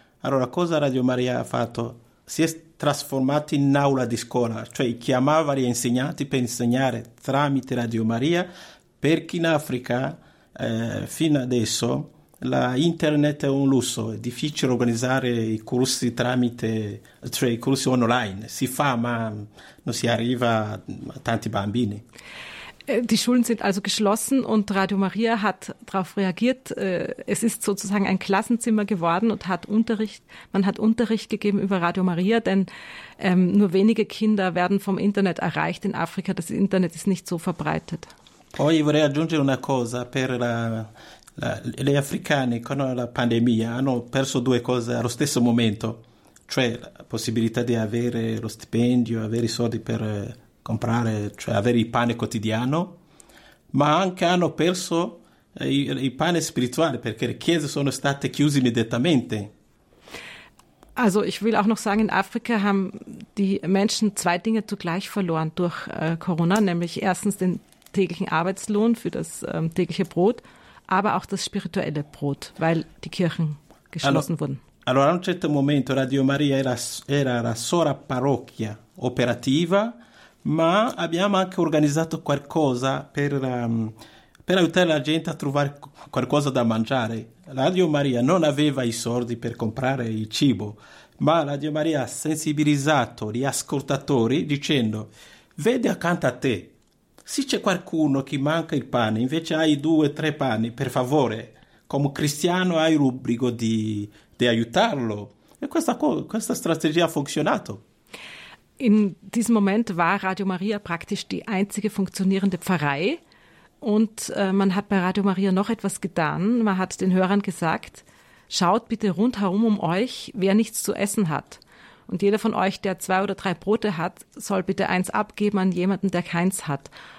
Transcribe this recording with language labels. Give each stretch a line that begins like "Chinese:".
Italian: Allora, cosa Radio Maria ha fatto? Si è trasformato in aula di scuola, cioè chiamava gli insegnanti per insegnare tramite Radio Maria, perché in Africa, fino adesso, la internet è un lusso, è difficile organizzare i corsi i corsi online. Si fa, ma non si arriva a tanti bambini.
German: Die Schulen sind also geschlossen und Radio Maria hat darauf reagiert. Es ist sozusagen ein Klassenzimmer geworden und hat Unterricht gegeben über Radio Maria, denn nur wenige Kinder werden vom Internet erreicht in Afrika. Das Internet ist nicht so verbreitet.
Italian: Poi vorrei aggiungere una cosa per gli africani con la pandemia hanno perso due cose allo stesso momento. cioè la possibilità di avere lo stipendio, avere i soldi per comprare, cioè avere il pane quotidiano, ma anche hanno perso il pane spirituale, perché le chiese sono state chiuse immediatamente.
German: Also ich will auch noch sagen, in Afrika haben die Menschen zwei Dinge zugleich verloren durch Corona, nämlich erstens den täglichen Arbeitslohn für das tägliche Brot, aber auch das spirituelle Brot, weil die Kirchen geschlossen wurden.
Italian: Allora, a un certo momento Radio Maria era la sola parrocchia operativa, ma abbiamo anche organizzato qualcosa per aiutare la gente a trovare qualcosa da mangiare. Radio Maria non aveva i soldi per comprare il cibo, ma Radio Maria ha sensibilizzato gli ascoltatori dicendo: vedi accanto a te, se c'è qualcuno che manca il pane, invece hai due o tre pani, per favore, come cristiano hai l'obbligo di aiutarlo. E questa strategia ha funzionato.
German: In diesem Moment war Radio Maria praktisch die einzige funktionierende Pfarrei. Und man hat bei Radio Maria noch etwas getan. Man hat den Hörern gesagt, schaut bitte rundherum um euch, wer nichts zu essen hat. Und jeder von euch, der zwei oder drei Brote hat, soll bitte eins abgeben an jemanden, der keins hat.